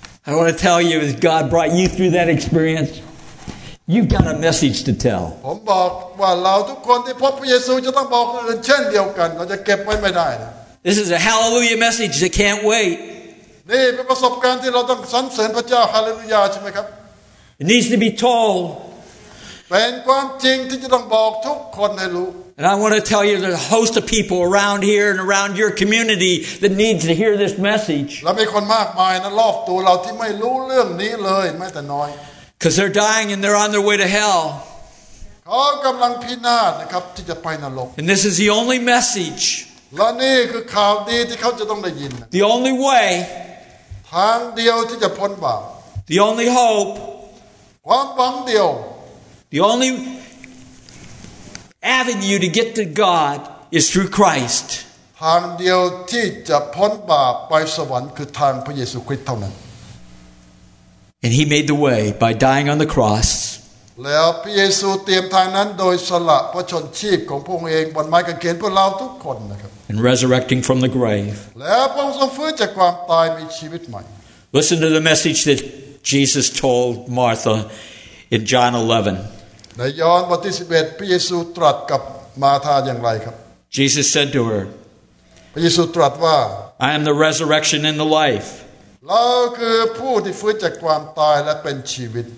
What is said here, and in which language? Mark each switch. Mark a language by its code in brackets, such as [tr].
[en] I want to tell you, as God brought you through that experience. You've got a message to tell. [th] ผมบอกว่าเราทุกคนที่พบพระเยซูจะต้องบอกคนอื่นเช่นเดียวกันเราจะเก็บไว้ไม่ได้นะ [en] This is a hallelujah message that can't wait. [th] นี่เป็นประสบการณ์ที่เราต้องสรรเสริญพระเจ้าฮาเลลูยาใช่ไหมครับ [en] It needs to be told. [th] เป็นความจริงที่จะต้องบอกทุกคนให้รู้ [en] And I want to tell you there's a host of people around here and around your community that needs to hear this message. [th] และมีคนมากมายนะรอบตัวเราที่ไม่รู้เรื่องนี้เลยแม้แต่น้อย [en] Because they're dying and they're on their way to hell. [th] เขากำลังพินาศนะครับที่จะไปนรก [en] And this is the only message. [th] และนี่คือข่าวดีที่เขาจะต้องได้ยิน [en] The only way. [th] ทางเดียวที่จะพ้นบาป [en] The only hope. [th] ความหวังเดียว [en] The only avenue to get to God is through Christ. [th] ทางเดียวที่จะพ้นบาปไปสวรรค์คือทางพระเยซูคริสต์เท่านั้น [en] And he made the way by dying on the cross. [th] แล้วพระเยซูเตรียมทางนั้นโดยสละพระชนชีพของพระองค์เองบนไม้กางเขนเพื่อเราทุกคนนะครับ [en] And resurrecting from the grave. [th] แล้วพระองค์ทรงฟื้นจากความตายมีชีวิตใหม่ [en] Listen to the message that Jesus told Martha in John 11. [th] ในยอห์นบทที่11พระเยซูตรัสกับมาธาอย่างไรครับ [en] Jesus said to her. [th] พระเยซูตรัสว่า [en] I am the resurrection and the life. [th] เราคือผู้ที่ฟื้นจากความตายและเป็นชีวิต